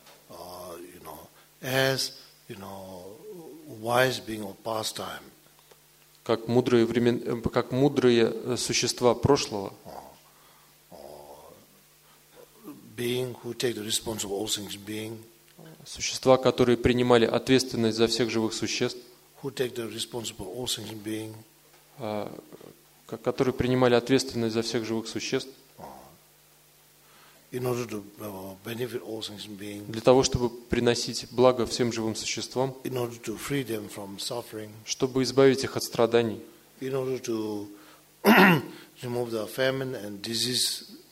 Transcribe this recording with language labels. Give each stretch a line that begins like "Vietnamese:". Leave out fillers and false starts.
English: You know, as you know, wise being of past time.
Russian: Как мудрые времен, как мудрые существа прошлого.
English: Being who take the responsibility of all things being.
Russian: Существа, которые принимали ответственность за всех живых существ.
English: Who take the responsibility for all sentient being?
Russian: Которые принимали ответственность за всех живых существ.
English: In order to benefit all sentient being.
Russian: Для того, чтобы приносить благо всем живым существам.
English: In order to free them from suffering.
Russian: Чтобы избавить их от страданий.
English: In order to remove the famine and disease.